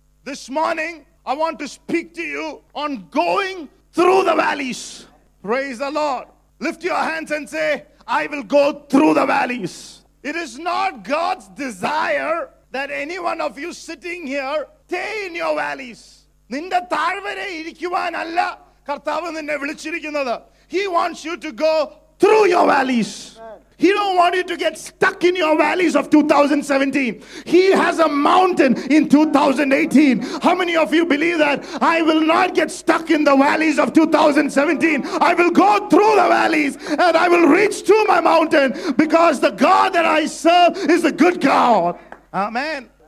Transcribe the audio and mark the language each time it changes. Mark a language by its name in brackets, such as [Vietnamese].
[English] This morning, I want to speak to you on going through the valleys. Praise the Lord. Lift your hands and say, I will go through the valleys. It is not God's desire that any one of you sitting here stay in your valleys. [Malayalam] നിന്റെ താഴ്വര ഇരിക്കുവാനല്ല കർത്താവ് നിന്നെ വിളിച്ചിരിക്കുന്നത്. [English] He wants you to go through your valleys. He don't want you to get stuck in your valleys of 2017. He has a mountain in 2018. How many of you believe that? I will not get stuck in the valleys of 2017. I will go through the valleys and I will reach to my mountain, because the God that I serve is a good God. Amen.